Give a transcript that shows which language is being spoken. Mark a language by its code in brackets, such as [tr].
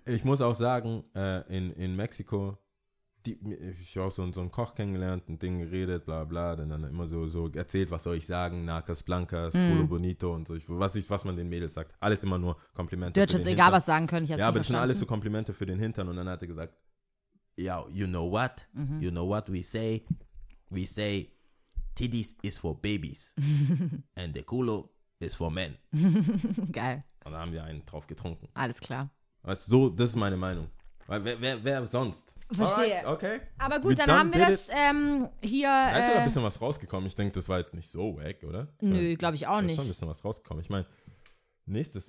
[de] Ich muss auch sagen, in Mexiko. Ich habe auch so einen Koch kennengelernt, ein Ding geredet, bla bla, dann immer so erzählt, was soll ich sagen, [es] Nacas Blancas, Culo Bonito [de] und so, was man den Mädels sagt. Alles immer nur Komplimente. Du hättest jetzt egal was sagen können, ich hätte es nicht verstanden. Ja, aber schon alles so Komplimente für den Hintern und dann hat er gesagt, ja, [en] you know what? Mhm. You know what we say? We say, titties is for babies and the culo is for men. [de] Geil. Und da haben wir einen drauf getrunken. Alles klar. Weißt du, so, das ist meine Meinung. Wer sonst? Verstehe. [en] Alright, [de] okay. Aber gut, dann haben wir das hier. Da ist ja ein bisschen was rausgekommen. Ich denke, das war jetzt nicht so wack, oder? Nö, glaube ich auch nicht. Da ist schon ein bisschen was rausgekommen. Ich meine, nächstes.